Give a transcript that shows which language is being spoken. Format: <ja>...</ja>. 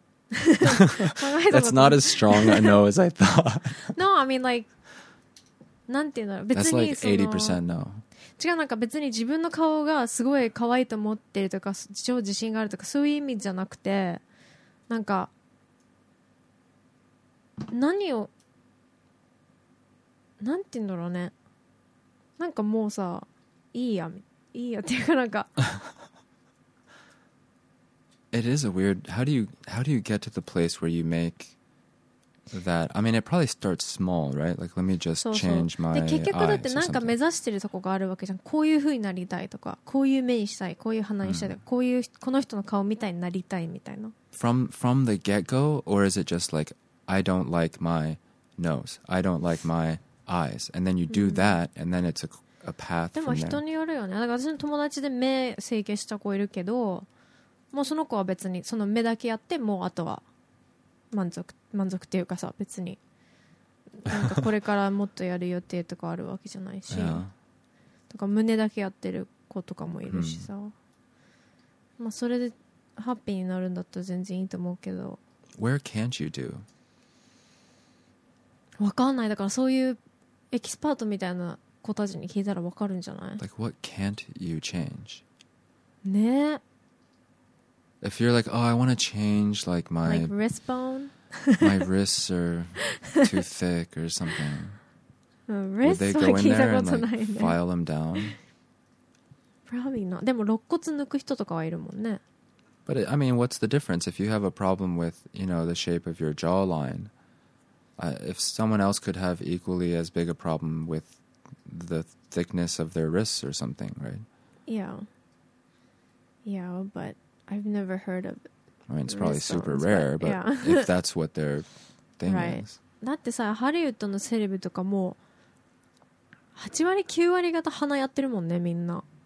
<en>That's not as strong a no as I thought. No, I mean, like,</en> <ja>なんて言うんだろう。</ja> <en>That's like 80% no.</en> <ja>違う、なんか別に自分の顔がすごい可愛いと思ってるとか、超自信があるとか、そういう意味じゃなくて、なんか、何を、なんて言うんだろうね。なんかもうさ、いいや、いいやっていうか、なんか。</ja> <en>It is a weird, how do you get to the place where you make that, I mean, it probably starts small, right? Like, let me just change my eyes or something.</en> <ja>結局だってなんか目指してるとこがあるわけじゃん。こういう風になりたいとか、こういう目にしたい、こういう鼻にしたい、こういう、この人の顔みたいになりたいみたいな。</ja> <en>From the get-go, or is it just like, I don't like my nose, I don't like my eyes, and then you do that, and then it's a path from there.</en> <ja>でも人によるよね。だから私の友達で目整形した子いるけど、もうその子は別にその目だけやって、もうあとは満足っていうかさ、別になんかこれからもっとやる予定とかあるわけじゃないし、とか胸だけやってる子とかもいるしさ、まあそれでハッピーになるんだったら全然いいと思うけど。</ja> <en>Where can't you do?</en> <ja>わかんない、だからそういうエキスパートみたいな子たちに聞いたらわかるんじゃない。</ja> <en>Like what can't you change?</en> <ja>ねえ、</ja> <en>if you're like, oh, I want to change like my... Like wrist bone? My wrists are too thick or something. Would they go in there and like file them down? Probably not.</en> <ja>でも肋骨抜く人とかはいるもんね。</ja> <en>But it, I mean, what's the difference? If you have a problem with, you know, the shape of your jawline, if someone else could have equally as big a problem with the thickness of their wrists or something, right? Yeah. Yeah, but I've never heard of it. I mean, it's probably super rare, but yeah. If that's what their thing right. is.</en> <ja>だってさ、ハリウッドのセレブとかも、8割、9割方鼻やってるもんね、みんな。</ja>